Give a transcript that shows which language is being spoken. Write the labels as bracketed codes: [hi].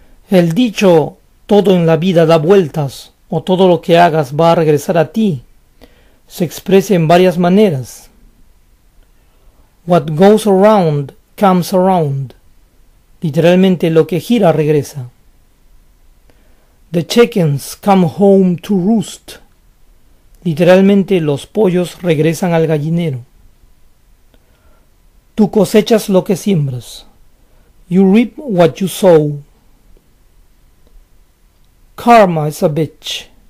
[es] El dicho, todo en la vida da vueltas, o todo lo que hagas va a regresar a ti, se expresa en varias maneras. [en] What goes around comes around. [es] Literalmente, lo que gira regresa. [en] The chickens come home to roost. [es] Literalmente, los pollos regresan al gallinero. Tú cosechas lo que siembras. [en] You reap what you sow. Karma is a bitch.